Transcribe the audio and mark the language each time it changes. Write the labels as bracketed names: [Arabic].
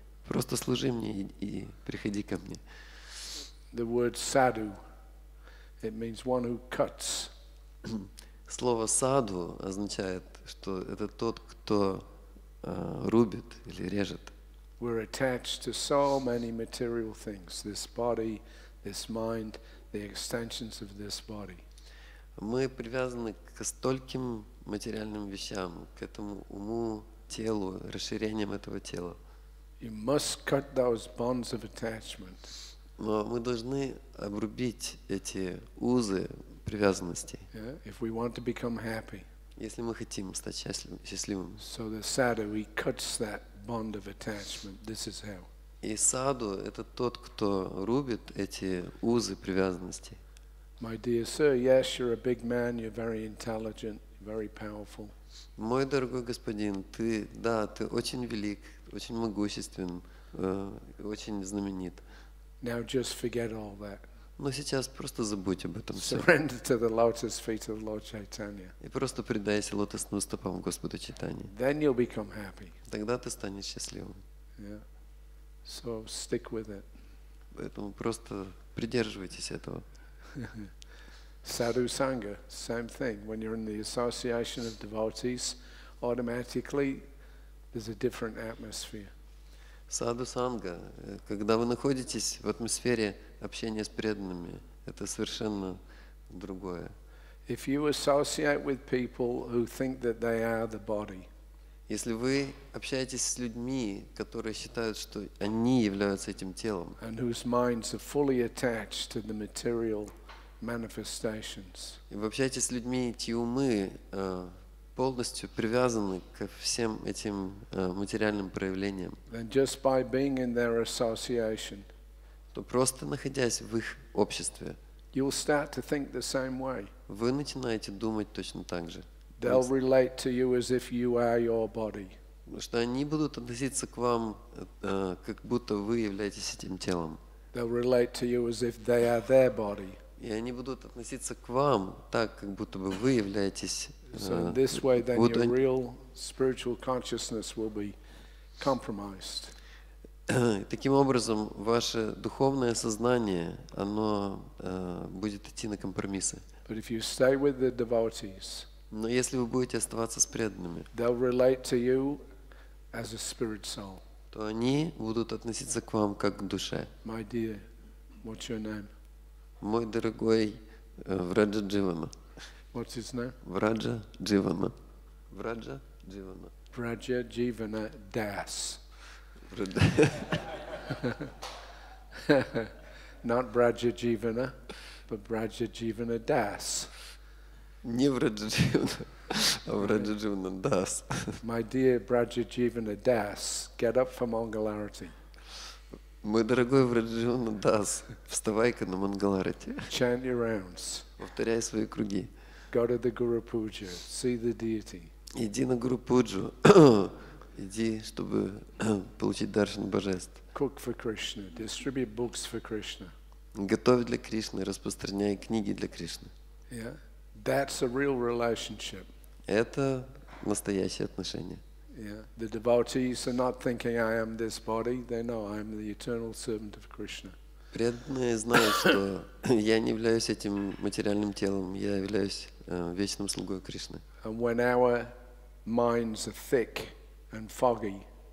[Russian] Просто служи мне и приходи ко мне. [English] The word sadhu, it means one who cuts. [Russian] Слово саду означает, что это тот, кто рубит или режет. [English] We're attached to so many material things, this body, this mind, the extensions of this body. [Russian] Мы привязаны к стольким материальным вещам, к этому уму, телу, расширениям этого тела. [English] You must cut those bonds of attachment. [Russian] Но мы должны обрубить эти узы привязанностей. [English] Yeah? If we want to become happy. [Russian] Если мы хотим стать счастливым. [English] So the sadhu, he cuts that bond of attachment. This is how. [Russian] И саду это тот, кто рубит эти узы привязанностей. [English] My dear sir, yes, you're a big man. You're very intelligent, very powerful. [Russian] Мой дорогой господин, ты, да, ты очень велик, очень могуществен, очень знаменит. [English] Now just forget all that. [Russian] Но сейчас просто забудь об этом всем. [English] Surrender to the lotus feet of Lord Chaitanya. [Russian] И просто предайся лотосным стопам Господа Чайтаньи. [English] Then you'll become happy. [Russian] Тогда ты станешь счастливым. [English] Yeah. So stick with it. [Russian] Поэтому просто придерживайтесь этого. [English] Sadhu Sangha, same thing. When you're in the association of devotees, automatically there's a different atmosphere. [Russian] Sadhu Sangha, когда вы находитесь в атмосфере общения с преданными, это совершенно другое. [English] If you associate with people who think that they are the body, [Russian] если вы общаетесь с людьми, которые считают, что они являются этим телом, [English] and whose minds are fully attached to the material manifestations. [Russian] И вы общаетесь с людьми, чьи умы полностью привязаны ко всем этим материальным проявлениям. [English] Then just by being in their association, [Russian] то просто находясь в их обществе, [English] you'll start to think the same way. [Russian] Вы начинаете думать точно так же. [English] They'll relate to you as if you are your body. [Russian] Потому что они будут относиться к вам, как будто вы являетесь этим телом. [English] They'll relate to you as if they are their body. [Russian] И они будут относиться к вам так, как будто бы вы являетесь. Таким образом, ваше духовное сознание, оно будет идти на компромиссы. [English] But if you stay with the devotees, [Russian] но если вы будете оставаться с преданными, [English] they'll relate to you as a spirit soul. [Russian] То они будут относиться к вам как к душе. [English] My dear, what's your name? [Russian] Мой дорогой Враджа Дживана. [English] What's his name? [Russian] Враджа Дживана. Враджа Дживана. Враджа Дживана Дас. [English] Not Враджа Дживана, but Враджа Дживана Дас. [Russian] Не Враджа Дживана, а Враджа Дживана Дас. [English] My dear Враджа Дживана Дас, get up for Mangalarati. [Russian] Мой дорогой Враджа Дас, вставай-ка на Мангаларати. [English] Chant your rounds. [Russian] Повторяй свои круги. [English] Go to the Guru Puja, see the deity. [Russian] Иди на Гуру Пуджу. Иди, чтобы получить даршан божеств. [English] Cook for Krishna, distribute books for Krishna. [Russian] Готовь для Кришны, распространяй книги для Кришны. [English] Yeah? That's a real relationship. [Russian] Это настоящие отношения. [English] Yeah. The devotees are not thinking I am this body. They know I am the eternal servant of Krishna. [Russian] Преданные знают, что я не являюсь этим материальным телом. Я являюсь вечным слугой Кришны. [English] And when our minds are thick and foggy,